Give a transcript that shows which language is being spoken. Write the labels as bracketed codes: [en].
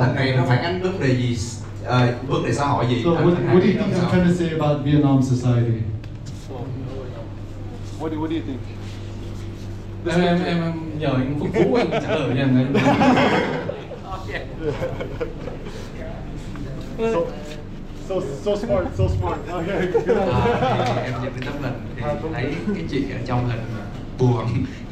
[vi] Này phản ánh vấn đề gì? Vấn đề xã hội gì? [en] What do you think I'm trying to say about Vietnam society? What do you think? [vi] Em nhờ anh phục vụ anh trả lời nha. [en] Okay. So smart. Okay. [vi] Em nhìn cái tấm hình thấy cái chị ở trong hình